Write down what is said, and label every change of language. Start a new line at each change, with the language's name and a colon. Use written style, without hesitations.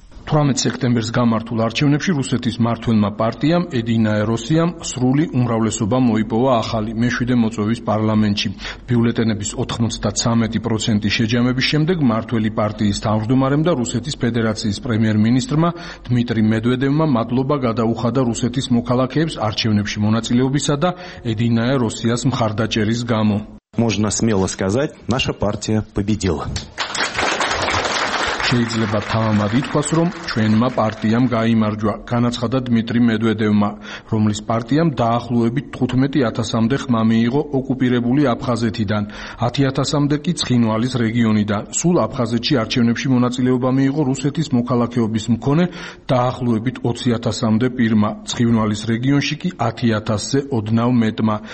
Georgian: 18 სექტემბერს გამართულ არჩევნებში რუსეთის მართველმა პარტიამ ედინა ეროსიამ სრული უმრავლესობა მოიპოვა ახალი მეშვიდე მოწვევის პარლამენტში. ბიულეტენების 93% შეჯამების შემდეგ მართველი პარტიის თავმჯდომარემ და რუსეთის ფედერაციის პრემიერ-მინისტრმა დმიტრი მედვედევმა მადლობა გადაუხადა რუსეთის მოქალაქეებს არჩევნებში მონაწილეობისა და ედინა ეროსიას მხარდაჭერის გამო.
Russian: Можно смело сказать, наша партия победила.
Georgian: შეიძლება თამამად ითქვას, რომ ჩვენმა პარტიამ გაიმარჯვა, განაცხადა დმიტრი მედვედევმა, რომლის პარტიამ დაახლოებით 15000-მდე ხმა მიიღო ოკუპირებული აფხაზეთიდან, 10000-მდე კი ცხინვალის რეგიონიდან. სულ აფხაზეთში არჩევნებში მონაწილეობა მიიღო რუსეთის მოქალაქეობის მქონე დაახლოებით 20000-მდე პირმა, ცხინვალის რეგიონში კი 10000-ზე ოდნავ მეტმა.